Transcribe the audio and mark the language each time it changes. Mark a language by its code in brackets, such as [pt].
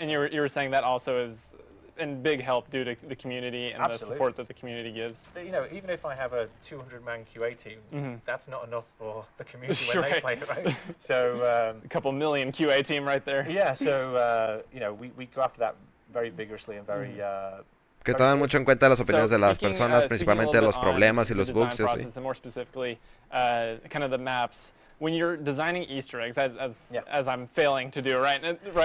[en] And you were saying that also is in big help due to the community and Absolutely. The support that the community gives. But, you know, even if I have a 200-man QA team, that's not enough for the community when they play it, right? So a couple million QA team right there. Yeah, so, you know, we go after that very vigorously and very... [es] Que tomen mucho en cuenta las opiniones de las personas, principalmente los problemas y los bugs. [en] Process, and more specifically, kind of the maps. When you're designing Easter eggs, as I'm failing to do right now.